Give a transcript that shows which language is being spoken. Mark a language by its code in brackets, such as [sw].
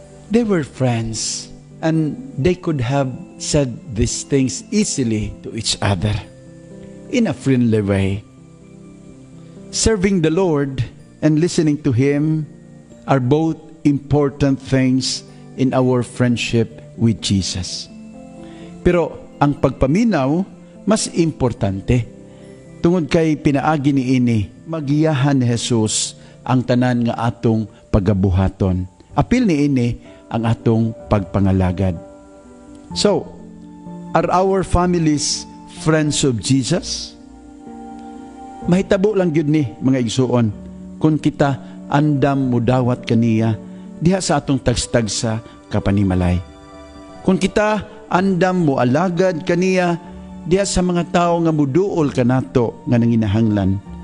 [en] They were friends and they could have said these things easily to each other in a friendly way. Serving the Lord and listening to Him are both important things in our friendship with Jesus. [ceb] Pero ang pagpaminaw mas importante tungod kay pinaagi niini magiyahan ni Jesus ang tanan nga atong pagabuhaton. Apil niini ang atong pagpangalagad. [en] So, are our families friends of Jesus? [ceb] Mahitabo lang yun ni mga igsuon kung kita andam mudawat kaniya diha sa atong tagstagsa kapanimalay. Kung kita andam mo alagad kaniya diha sa mga tao nga muduol kanato nga nanginahanglan.